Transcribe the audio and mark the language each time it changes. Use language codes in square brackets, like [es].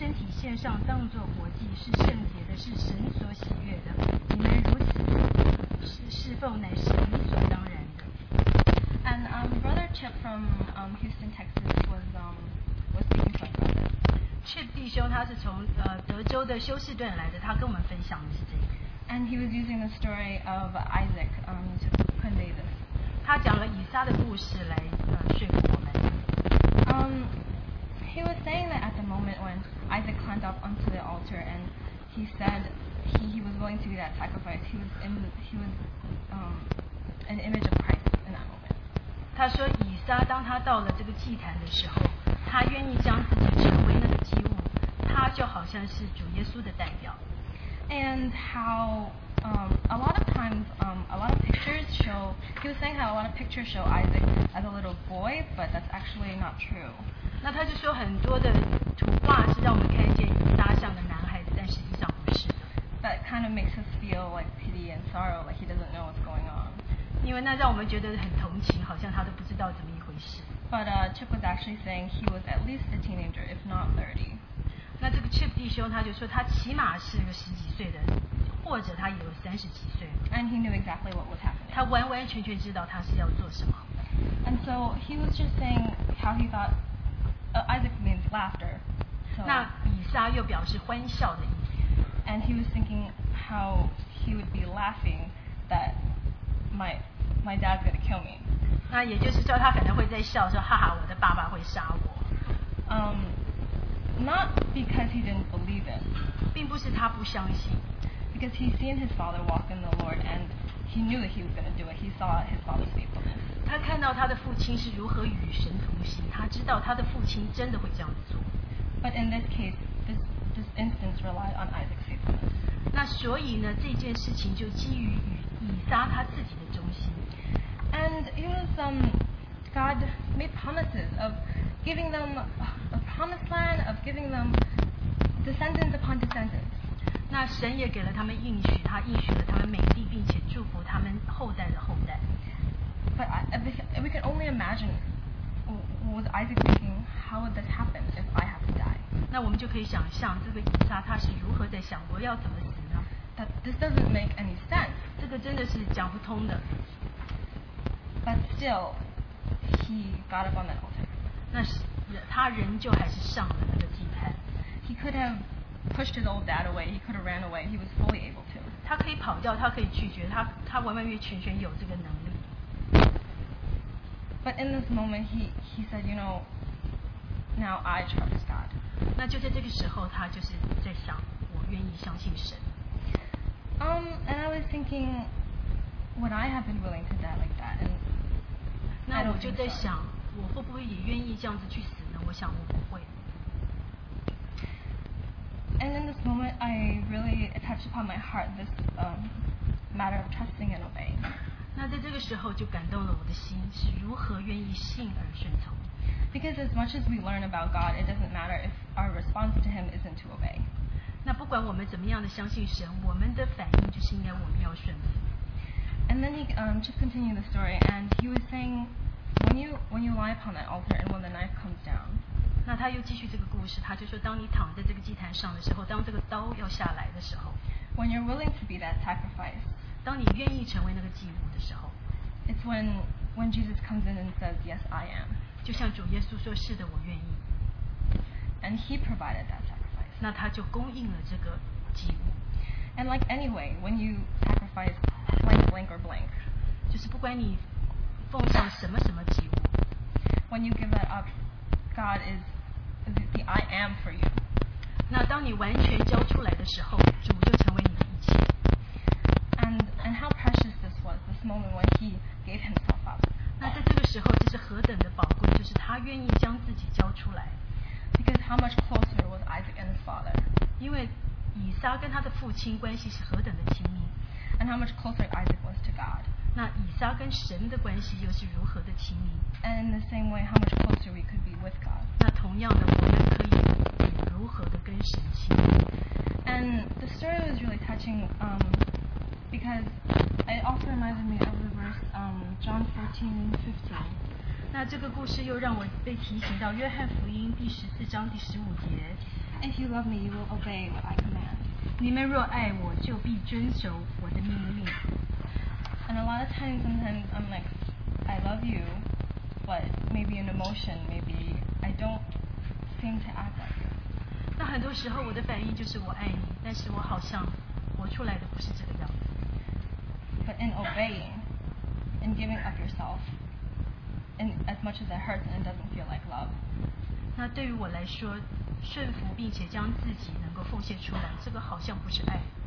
[zh] 献上当作活祭，是圣洁的，是神所喜悦的。你们如此侍奉，乃是理所当然的。 [en] And brother Chip from Houston, Texas was speaking to our brother. [zh] Chip 弟兄他是从德州的休斯顿来的，他跟我们分享的是这个。 [en] And he was using the story of Isaac to convey this. [zh] 他讲了以撒的故事来说服我们。 [en] He was saying that at the moment when Isaac climbed up onto the altar and he said he was willing to be that sacrifice, he was an image of Christ in that moment. [zh] 他说以撒当他到了这个祭坛的时候，他愿意将自己成为那个祭物，他就好像是主耶稣的代表。 [en] And how a lot of times, a lot of pictures show, he was saying how a lot of pictures show Isaac as a little boy, but that's actually not true. [zh] 那他就说很多的图画是让我们看见以撒像的男孩子，但实际上不是。 [en] That kind of makes us feel like pity and sorrow, like he doesn't know what's going on. [zh] 因为那让我们觉得很同情，好像他都不知道怎么一回事。 [en] But Chip was actually saying he was at least a teenager, if not 30. [zh] 那这个 Chip 弟兄他就说他起码是个十几岁的，或者他也有三十几岁。 [en] And he knew exactly what was happening. [zh] 他完完全全知道他是要做什么。 [en] And so he was just saying how he thought Isaac means laughter. So, [zh] 那以撒又表示欢笑的意思。 [en] And he was thinking how he would be laughing that my dad's gonna kill me. [zh] 那也就是说他可能会在笑说哈哈我的爸爸会杀我。 [en] Not because he didn't believe it. [zh] 并不是他不相信。 [en] Because he's seen his father walk in the Lord and he knew that he was gonna do it. He saw his father's faithfulness. [zh] 他看到他的父亲是如何与神同行，他知道他的父亲真的会这样做。 [en] But in this case, this instance relied on Isaac's faithfulness. [zh] 那所以呢，这件事情就基于以撒他自己的忠心。 [en] And it was God made promises of giving them a promised land, of giving them descendants upon descendants. [zh] 那神也给了他们应许，他应许了他们美地，并且祝福他们后代的后代。 [en] But we can only imagine, was Isaac thinking, how would this happen if I have to die? [zh] 那我们就可以想象这个以撒他是如何在想我要怎么死呢？ [en] That this doesn't make any sense. [zh] 这个真的是讲不通的。 [en] But still, he got up on that altar. [zh] 那他仍旧还是上了那个祭坛。 [en] He could have pushed his old dad away. He could have ran away. He was fully able to. [zh] 他可以跑掉，他可以拒绝，他完完全全有这个能力。 [en] But in this moment, he said, you know, now I trust God. [zh] 那就在这个时候，他就是在想，我愿意相信神。 [en] And I was thinking, would I have been willing to die like that? And [zh] 那我就在想，我会不会也愿意这样子去死呢？我想我不会。 [en] And in this moment, I really attached upon my heart this matter of trusting and obeying. [zh] 那在这个时候就感动了我的心，是如何愿意信而顺从。 [en] Because as much as we learn about God, it doesn't matter if our response to Him isn't to obey. [zh] 那不管我们怎么样的相信神，我们的反应就是应该我们要顺服。 [en] And then he just continued the story, and he was saying, when you lie upon that altar, and when the knife comes down. [zh] 那他又继续这个故事，他就说，当你躺在这个祭坛上的时候，当这个刀要下来的时候 [en] ，When you're willing to be that sacrifice. [zh] 当你愿意成为那个祭物。 [en] It's when Jesus comes in and says, "Yes, I am." [zh] 就像主耶稣说，是的，我愿意。 [en] And He provided that sacrifice. [zh] 那他就供应了这个祭物。 [en] And like anyway, when you sacrifice blank, blank or blank, [zh] 就是不管你奉上什么什么祭物 [en] ，when you give that up, God is the I am for you. [zh] 那当你完全交出来的时候，主就成为你的一切。 [en] And how precious this was, this moment when he gave himself up. [zh] 那在这个时候，这是何等的宝贵，就是他愿意将自己交出来。 [en] Because how much closer was Isaac and his father? [zh] 因为以撒跟他的父亲关系是何等的亲密。 [en] And how much closer Isaac was to God? [zh] 那以撒跟神的关系又是如何的亲密？ [en] And in the same way, how much closer we could be with God? [zh] 那同样的，我们可以如何的跟神亲密？ [en] And the story was really touching. Because it also reminded me of the verse John 14:15. [zh] 那这个故事又让我被提醒到约翰福音第十四章第十五节。 [en] If you love me, you will obey what I command. [zh] 你们若爱我，就必遵守我的命令。 [en] And a lot of times, sometimes I'm like, I love you, but maybe in emotion, maybe I don't seem to act like you. [zh] 那很多时候我的反应就是我爱你，但是我好像活出来的不是这个样子。 [en] But in obeying, in giving up yourself, and as much as it hurts and it doesn't feel like love. [zh] 那对于我来说，顺服并且将自己能够奉献出来，这个好像不是爱。